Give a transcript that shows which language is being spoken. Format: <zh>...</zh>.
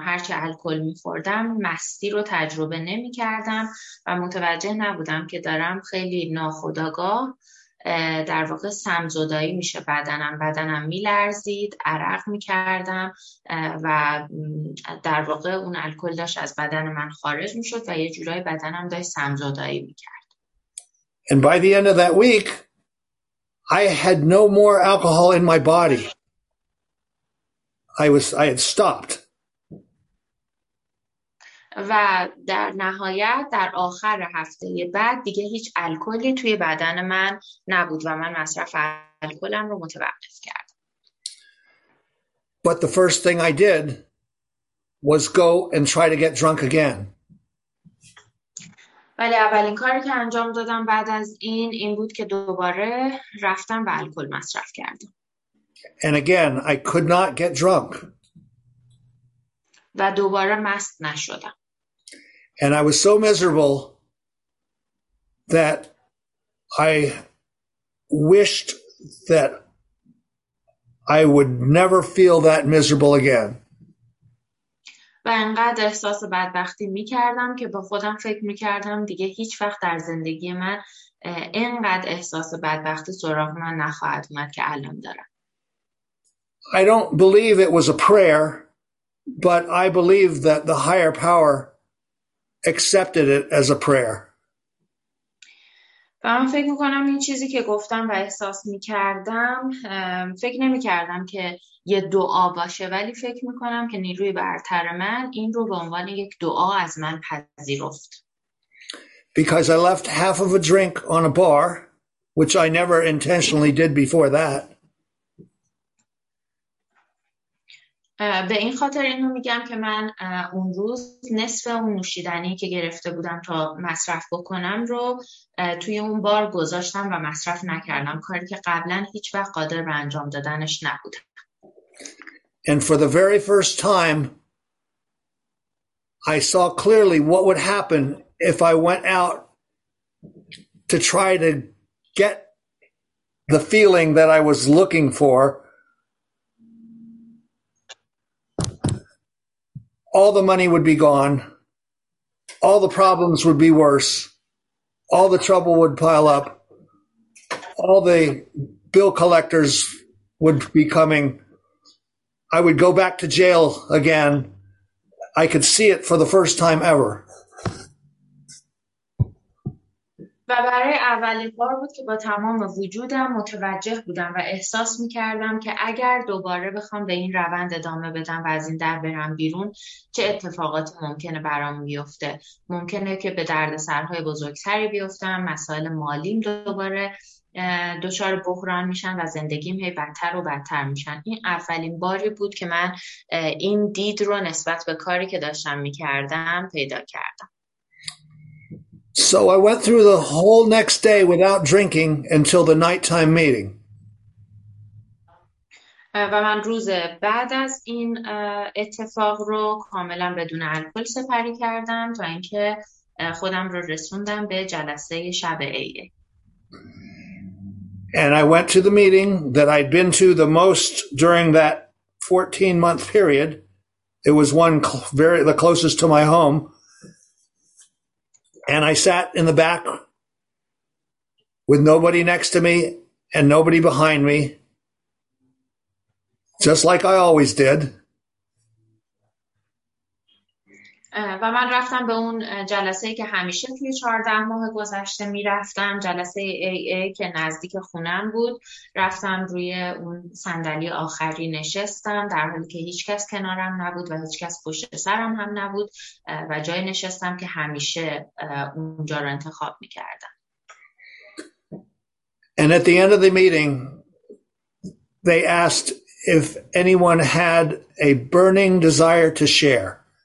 <fa>هرچه الکل می خوردم مستی رو تجربه نمی کردم و متوجه نبودم که دارم خیلی ناخودآگاه در واقع سمزدایی میشه بدنم. بدنم میلرزید، عرق میکردم و در واقع اون الکل داشت از بدن من خارج میشد و یه جورای بدنم داشت سمزدایی میکرد.</fa> <en>And by the end of that week I had no more alcohol in my body. I had stopped.</en> <fa>و در نهایت در آخر هفته بعد دیگه هیچ الکلی توی بدن من نبود و من مصرف الکلم رو متوقف کردم.</fa> <en>But the first thing I did was go and try to get drunk again.</en> <fa>ولی اولین کاری که انجام دادم بعد از این بود که دوباره رفتم و الکل مصرف کردم.</fa> <en>And again, I could not get drunk.</en> <fa>و دوباره مست نشدم.</fa> <en>And I was so miserable that I wished that I would never feel that miserable again.</en> <fa>و انقدر احساس بدبختی می‌کردم که با خودم فکر می‌کردم دیگه هیچ وقت در زندگی من اینقدر احساس بدبختی سراغ من نخواهد اومد که الان دارم.</fa> <en>I don't believe it was a prayer, but I believe that the higher power accepted it as a prayer.</en> <fa>و من فکر میکنم این چیزی که گفتم و احساس میکردم فکر نمیکردم که یه دعا باشه ولی فکر میکنم که نیروی برتر من این رو به عنوان یک دعا از من پذیرفت.</fa> <en>Because I left half of a drink on a bar, which I never intentionally did before that.</en> <fa>به این خاطر اینو میگم که من اون روز نصف اون نوشیدنی که گرفته بودم تا مصرف بکنم رو توی اون بار گذاشتم و مصرف نکردم، کاری که قبلا هیچ وقت قادر به انجام دادنش نبودم.</fa> <en>And for the very first time I saw clearly what would happen if I went out to try to get the feeling that I was looking for. All the money would be gone. All the problems would be worse. All the trouble would pile up. All the bill collectors would be coming. I would go back to jail again. I could see it for the first time ever.</en> <fa>و برای اولین بار بود که با تمام وجودم متوجه بودم و احساس میکردم که اگر دوباره بخوام به این روند ادامه بدم و از این در برم بیرون چه اتفاقات ممکنه برام بیفته. ممکنه که به دردسرهای بزرگتری بیفتم، مسائل مالیم دوباره دچار بحران میشن و زندگیم هی بدتر و بدتر میشن. این اولین باری بود که من این دید رو نسبت به کاری که داشتم میکردم پیدا کردم.</fa> <en>So I went through the whole next day without drinking until the nighttime meeting.</en> <fa>و من روز بعد از این اتفاق رو کاملا بدون الکل سپری کردم تا اینکه خودم رو رسوندم به جلسه شب عید.</fa> <en>And I went to the meeting that I'd been to the most during that 14-month period. It was one very the closest to my home. And I sat in the back with nobody next to me and nobody behind me just like I always did.</en> <fa>و من رفتم به اون جلسه که همیشه توی 14 ماه گذشته می رفتم، جلسه AA که نزدیک خونم بود. رفتم روی اون صندلی آخری نشستم در حالی که هیچ کس کنارم نبود و هیچ کس پشت سرم هم نبود و جای نشستم که همیشه اونجا رو انتخاب می کردم.</fa> <en>And at the end of the meeting, they asked if anyone had a burning desire to share.</en>